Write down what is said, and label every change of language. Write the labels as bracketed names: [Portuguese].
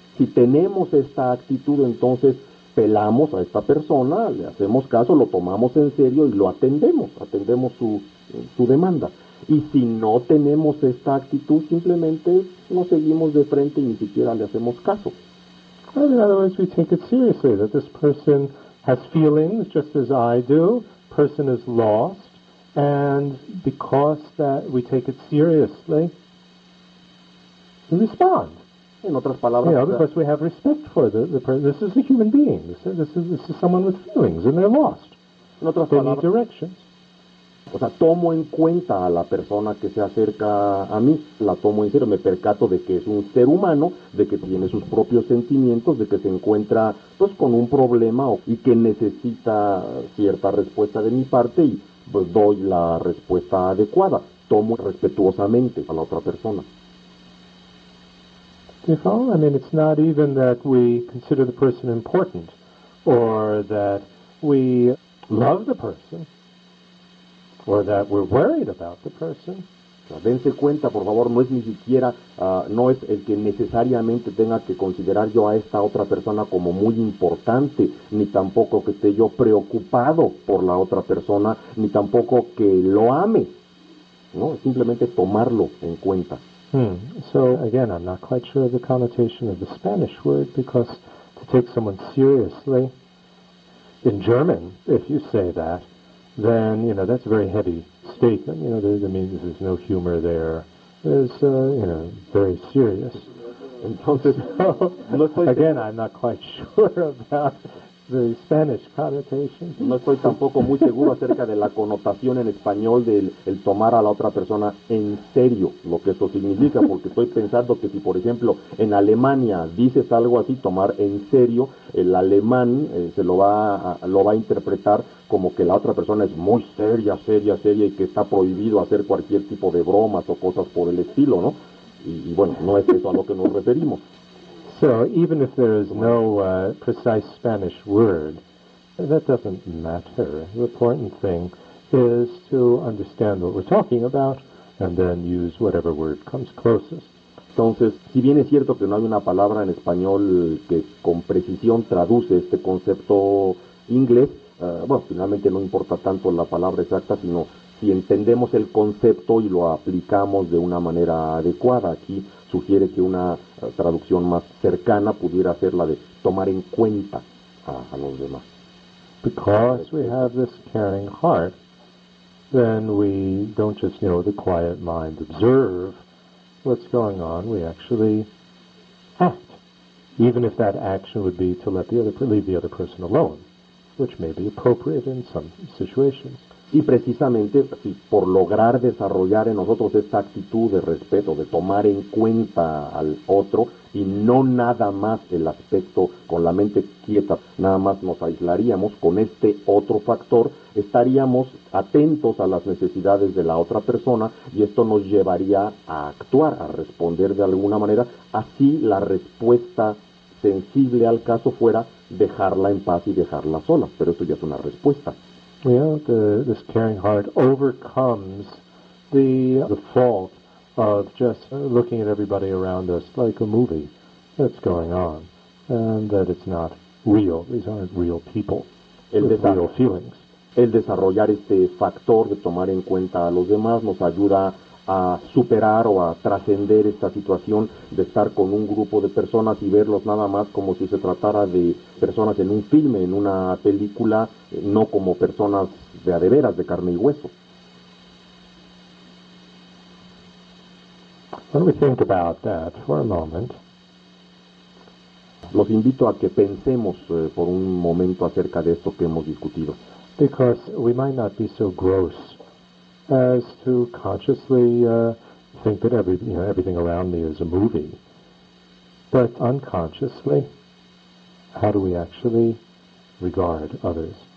[Spanish] Si tenemos esta actitud, entonces pelamos a esta persona, le hacemos caso, lo tomamos en serio y lo atendemos su demanda. Y si no tenemos esta actitud, simplemente nos seguimos de frente y ni siquiera le hacemos caso. [English] In other words, we take it seriously that this person has feelings just as I do, person is lost. And because that we take it seriously, we respond. [Spanish] En otras palabras, [English] you know, because we have respect for the person. This is a human being. This is someone with feelings, and they're lost. [Spanish] En otras [English] they [Spanish] palabras, [English] need directions. [Spanish] O sea, tomo en cuenta a la persona que se acerca a mí. La tomo en serio. Me percato de que es un ser humano, de que tiene sus propios sentimientos, de que se encuentra pues con un problema y que necesita cierta respuesta de mi parte y pues doy la respuesta adecuada, tomo respetuosamente a la otra persona. [English] Do you follow? I mean, it's not even that we consider the person important or that we love the person or that we're worried about the person. [Spanish] Dense cuenta, por favor, no es ni siquiera, no es el que necesariamente tenga que considerar yo a esta otra persona como muy importante, ni tampoco que esté yo preocupado por la otra persona, ni tampoco que lo ame, ¿no? Es simplemente tomarlo en cuenta. [English] So, again, I'm not quite sure of the connotation of the Spanish word, because to take someone seriously, in German, if you say that, then, you know, that's very heavy. Statement, you know, that means there's no humor there. It's, you know, very serious. [Spanish] Entonces, no estoy [English] again, I'm not quite sure about the Spanish connotation. [Spanish] No estoy tampoco muy seguro acerca de la connotación en español del el tomar a la otra persona en serio, lo que eso significa, porque estoy pensando que si, por ejemplo, en Alemania dices algo así, tomar en serio, el alemán se lo va a interpretar como que la otra persona es muy seria, seria, seria, y que está prohibido hacer cualquier tipo de bromas o cosas por el estilo, ¿no? Y bueno, no es eso a lo que nos referimos. [English] So, even if there is no precise Spanish word, that doesn't matter. The important thing is to understand what we're talking about and then use whatever word comes closest. [Spanish] Entonces, si bien es cierto que no hay una palabra en español que con precisión traduce este concepto inglés, bueno, finalmente no importa tanto la palabra exacta, sino si entendemos el concepto y lo aplicamos de una manera adecuada. Aquí sugiere que una traducción más cercana pudiera ser la de tomar en cuenta a los demás. [English] Because we have this caring heart, then we don't just, you know, the quiet mind observe what's going on, we actually act. Even if that action would be to leave the other person alone, which may be appropriate in some situations. [Spanish] Y precisamente si por lograr desarrollar en nosotros esta actitud de respeto, de tomar en cuenta al otro, y no nada más el aspecto con la mente quieta, nada más nos aislaríamos con este otro factor, estaríamos atentos a las necesidades de la otra persona, y esto nos llevaría a actuar, a responder de alguna manera. Así la respuesta sensible al caso fuera dejarla en paz y dejarla sola, pero esto ya es una respuesta. [English] Yeah, this caring heart overcomes the fault of just looking at everybody around us like a movie that's going on, and that it's not real. These aren't real people with real feelings. [Spanish] El desarrollar este factor de tomar en cuenta a los demás nos ayuda a superar o a trascender esta situación de estar con un grupo de personas y verlos nada más como si se tratara de personas en un filme, en una película, no como personas de a de veras, de carne y hueso. [English] Let me think about that for a moment. [Spanish] Los invito a que pensemos por un momento acerca de esto que hemos discutido. [English] Because we might not be so gross as to consciously think that everything around me is a movie. But unconsciously, how do we actually regard others?